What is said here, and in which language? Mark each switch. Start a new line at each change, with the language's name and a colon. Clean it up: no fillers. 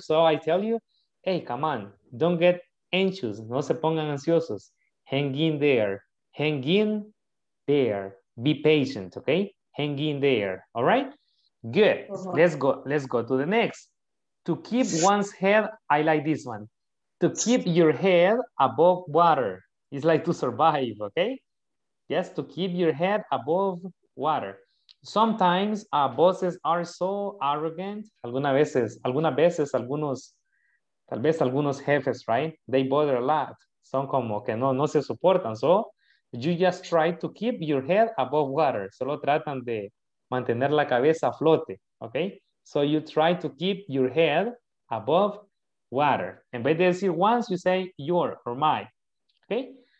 English: So I tell you, hey, come on, don't get anxious,
Spanish: no se pongan ansiosos,
English: hang in there, be patient, okay, hang in there, all right, good, let's go to the next, to keep one's head, I like this one, to keep your head above water, it's like to survive, okay, yes, to keep your head above water. Sometimes bosses are so arrogant.
Spanish: Algunas veces, algunos, tal vez algunos jefes, right?
English: They bother a lot.
Spanish: Son como que no se soportan.
English: So you just try to keep your head above water.
Spanish: Solo tratan de mantener la cabeza a flote, okay?
English: So you try to keep your head above water.
Spanish: En vez de decir
English: once, you say your or my, okay?